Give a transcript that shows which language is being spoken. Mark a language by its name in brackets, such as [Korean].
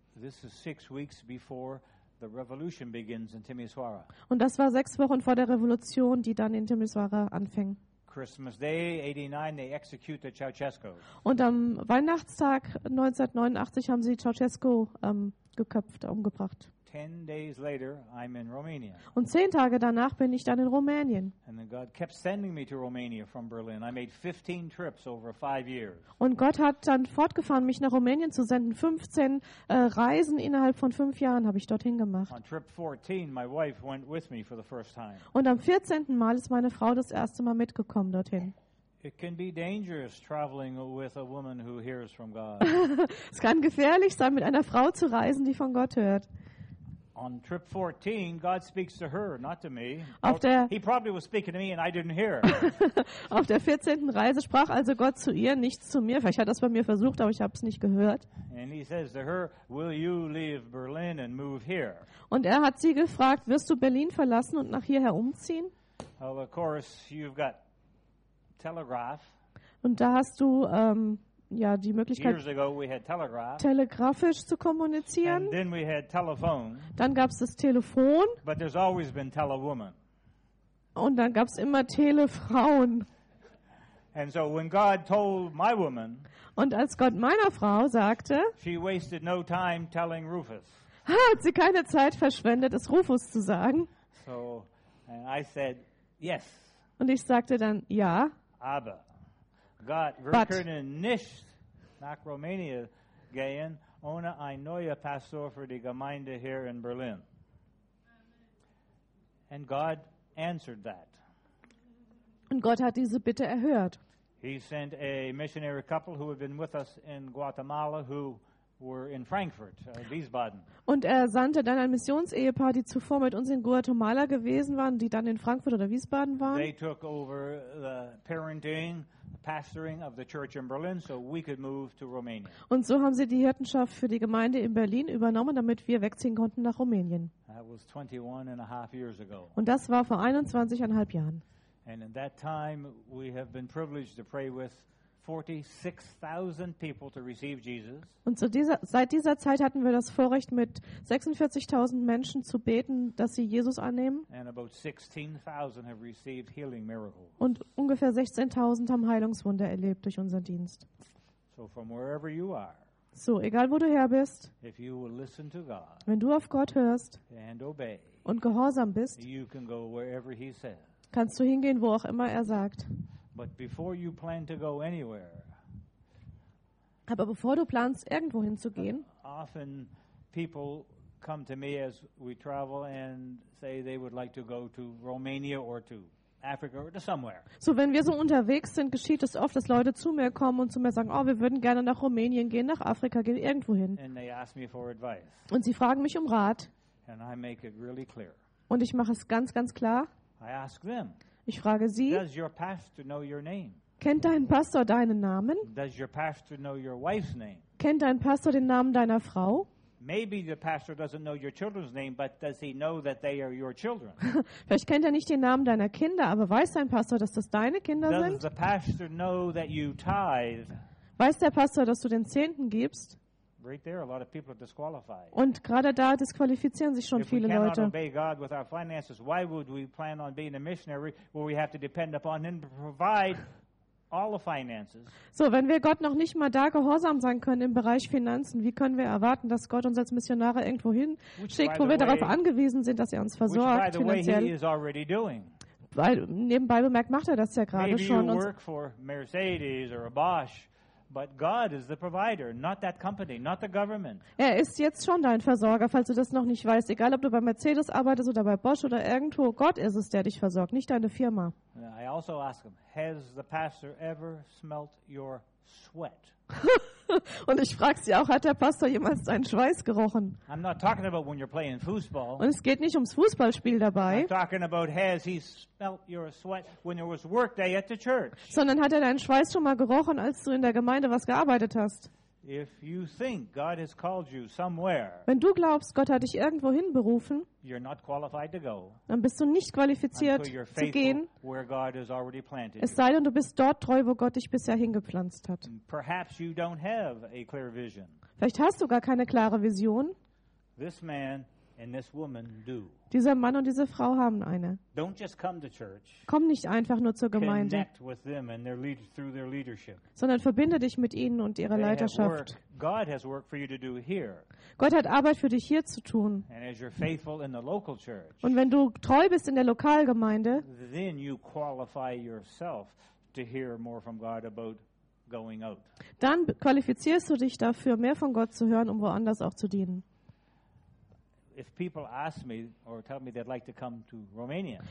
[English] This is 6 weeks before the revolution begins in Timișoara. [German] Und das war 6 Wochen vor der Revolution, die dann in Timișoara anfing. [English] Christmas Day 89, they execute the Ceausescu. [German] Und am Weihnachtstag 1989 haben sie Ceausescu geköpft, umgebracht. [English] 10 days later, I'm in Romania. [German] Und 10 Tage danach bin ich dann in Rumänien. [English] And then God kept sending me to Romania from Berlin. I made 15 trips over 5 years. [German] Und Gott hat dann fortgefahren, mich nach Rumänien zu senden. 15 Reisen innerhalb von 5 Jahren habe ich dorthin gemacht. [English] On trip 14, my wife went with me for the first time. [German] Und am 14. Mal ist meine Frau das erste Mal mitgekommen dorthin. [English] It can be dangerous traveling with a woman who hears from God. [German] Es kann gefährlich sein, mit einer Frau zu reisen, die von Gott hört. [English] On trip 14, God speaks to her, not to me. Well, he probably was speaking to me and I didn't hear. [German] Auf der 14. Reise sprach also Gott zu ihr, nicht zu mir. Vielleicht hat er es bei mir versucht, aber ich habe es nicht gehört. [English] And he says to her, will you leave Berlin and move here? [German] Und er hat sie gefragt, wirst du Berlin verlassen und nach hierher umziehen? [English] Well, of course, you've got telegraph. [German] Und da hast du ja, die Möglichkeit, [English] years ago we had telegraph, [German] telegrafisch zu kommunizieren. [English] And then we had telephone, [German] dann gab es das Telefon. [English] But there's always been telewoman. [German] Und dann gab es immer Telefrauen. [English] And so when God told my woman, [German] und als Gott meiner Frau sagte, [English] she wasted no time telling Rufus, [German] hat sie keine Zeit verschwendet, es Rufus zu sagen. [English] So, and I said, yes. [German] Und ich sagte dann, ja. Aber. God, wir können nicht nach Rumänien gehen ohne ein neuer Pastor für die Gemeinde hier in Berlin. [English] And God answered that. [German] Und Gott hat diese Bitte erhört. [English] He sent a missionary couple who had been with us in Guatemala who were in Frankfurt, Wiesbaden. [German] Und er sandte dann ein Missionsehepaar, die zuvor mit uns in Guatemala gewesen waren, die dann in Frankfurt oder Wiesbaden waren. [English] They took over the parenting, pastoring of the church in Berlin, so we could move to Romania. [German] Und so haben sie die Hirtenschaft für die Gemeinde in Berlin übernommen, damit wir wegziehen konnten nach Rumänien. [English] That was 21.5 years ago. [German] Und das war vor 21.5 Jahren. [English] And in that time, we have been privileged to pray with 46,000 people to receive Jesus. [German] Und seit dieser Zeit hatten wir das Vorrecht, mit 46,000 Menschen zu beten, dass sie Jesus annehmen. [English] And about 16,000 have received healing miracles. [German] Und ungefähr 16,000 haben Heilungswunder erlebt durch unseren Dienst. [English] So from wherever you are, [German] so, egal wo du her bist, [English] if you will listen to God, [German] wenn du auf Gott hörst [English] and obey, [German] und gehorsam bist, [English] you can go wherever he says. [German] Kannst du hingehen, wo auch immer er sagt. [English] But before you plan to go anywhere, [German] aber bevor du planst, irgendwo hinzugehen, [English] often people come to me as we travel and say they would like to go to Romania or to Africa or to somewhere. [German] So, wenn wir so unterwegs sind, geschieht es oft, dass Leute zu mir kommen und zu mir sagen, oh, wir würden gerne nach Rumänien gehen, nach Afrika gehen, irgendwo hin. [English] And they ask me for advice. [German] Und sie fragen mich um Rat. [English] And I make it really clear. [German] Und ich mache es ganz, ganz klar. [English] I ask them, [German] ich frage sie, [English] does your pastor know your name? [German] Kennt dein Pastor deinen Namen? [English] Does your pastor know your wife's name? [German] Kennt dein Pastor den Namen deiner Frau? [English] Maybe the pastor doesn't know your children's name, but does he know that they are your children? [German] Vielleicht kennt er nicht den Namen deiner Kinder, aber weiß dein Pastor, dass das deine Kinder [English] does [German] sind? [English] Does the pastor know that you tithe? [German] Weiß der Pastor, dass du den Zehnten gibst? [English] Right there, a lot of people are disqualified. [German] Und gerade da disqualifizieren sich schon [English] if [German] viele Leute. [English] If we cannot obey God with our finances, why would we plan on being a missionary where we have to depend upon him to provide all the finances? [German] So, wenn wir Gott noch nicht mal da gehorsam sein können im Bereich Finanzen, wie können wir erwarten, dass Gott uns als Missionare irgendwo hin schickt, wo wir darauf angewiesen sind, dass er uns versorgt finanziell? [English] Which, by the way, he is already doing. [German] Weil, nebenbei bemerkt, macht er das ja gerade schon. [English] Maybe you work for Mercedes or a Bosch. But God is the provider, not that company, not the government. [German] Er ist jetzt schon dein Versorger, falls du das noch nicht weißt. Egal, ob du bei Mercedes arbeitest oder bei Bosch oder irgendwo, Gott ist es, der dich versorgt, nicht deine Firma. [English] I also ask him, has the pastor ever smelt your sweat? [German] Und ich frage sie auch, hat der Pastor jemals deinen Schweiß gerochen? [English] I'm not talking about when you're playing football. [German] Und es geht nicht ums Fußballspiel dabei. [English] I'm talking about has he smelt your sweat when there was work day at the church. [German] Sondern hat er deinen Schweiß schon mal gerochen, als du in der Gemeinde was gearbeitet hast? [English] If you think God has called you somewhere, [German] wenn du glaubst, Gott hat dich irgendwohin berufen, [English] you're not qualified to go, [German] dann bist du nicht qualifiziert [English] until you're faithful [German] zu gehen, [English] where God has already planted [German] es sei denn, du bist dort treu, wo Gott dich bisher hingepflanzt hat. [English] Perhaps you don't have a clear vision. [German] Vielleicht hast du gar keine klare Vision. [English] This man and this woman do. [German] Dieser Mann und diese Frau haben eine. [English] Don't just come to church. [German] Komm nicht einfach nur zur Gemeinde. [English] Connect with them and their lead, through their leadership. [German] Sondern verbinde dich mit ihnen und ihrer Leiterschaft. [English] God has work for you to do here. [German] Gott hat Arbeit für dich hier zu tun. [English] And as you're faithful in the local church, [German] und wenn du treu bist in der Lokalgemeinde, [English] then you qualify yourself to hear more from God about going out. [German] Dann qualifizierst du dich dafür, mehr von Gott zu hören, um woanders auch zu dienen. [English] If people ask me or tell me they'd like to come to Romania.